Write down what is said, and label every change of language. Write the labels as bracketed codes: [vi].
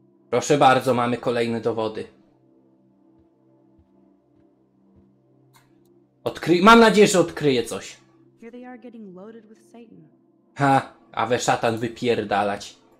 [pl] Proszę bardzo, mamy kolejne dowody. Mam nadzieję, że odkryję coś. [en] Here they are getting loaded with Satan. [pl] Ha, a we szatan wypierdalać.